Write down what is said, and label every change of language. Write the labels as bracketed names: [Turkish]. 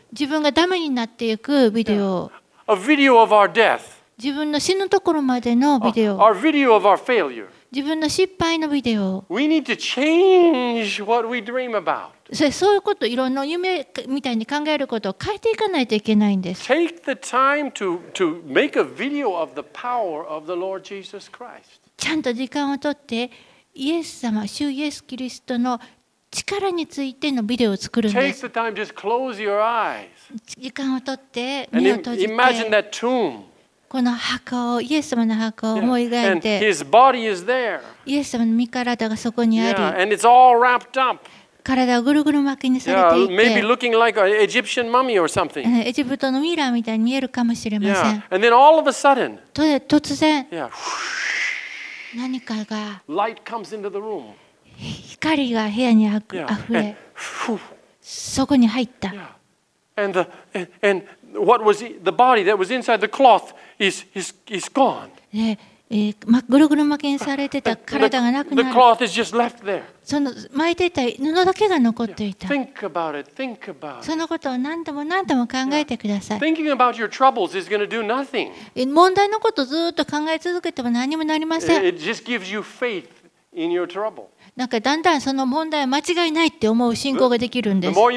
[Japanese] 自分がダメになっていくビデオ。 [English] A video of our death. [Japanese] 自分の死ぬところまでのビデオ。 [English] A video of our failure. [Japanese] 自分の失敗のビデオ。 [English] We need to change what we dream about. [Japanese] そういうこと、いろんな夢みたいに考えることを変えていかないといけないんです。 [English] Take the time to make a video of the power of the Lord Jesus Christ. [Japanese] ちゃんと時間を取って、イエス様、主イエスキリストの力についてのビデオを作るんです。 [English] Take the time, just close your eyes. [Japanese] 時間を取って、目を閉じて。 [English] And imagine that tomb. [Japanese] この墓をイエス様の墓を思い描いて、 [English] yeah. And his there. [Japanese] イエス様の身体がそこにあり、 [English] yeah. And it's all wrapped up. [Japanese] 体をぐるぐる巻きにされていて、 [English] yeah. Maybe looking like an Egyptian mummy or something. [Japanese] エジプトのミイラみたいに見えるかもしれません。 [English] Yeah. And then all of a sudden, [Japanese] 突然、 [English] yeah. [Japanese] 何かが [English] Light comes into the room. [Japanese] 光が部屋にあふれ、 [English] yeah. [Japanese] そこに入った。 [English] Yeah. And what was the body that was inside the cloth is gone. [Japanese] ぐるぐる巻きにされてた体がなくなる。 [English] The cloth is just left there. [Japanese] その巻いていた布だけが残っていた。 [English] Think about it. Think about it. [Japanese] そのことを何度も何度も考えてください。 [English] Thinking about your troubles is going to do nothing. [Japanese] 問題のことをずっと考え続けても何にもなりません。 [English] It just gives you faith in your trouble. [Japanese] なんかだんだんその問題は間違いないって思う信仰ができるんです。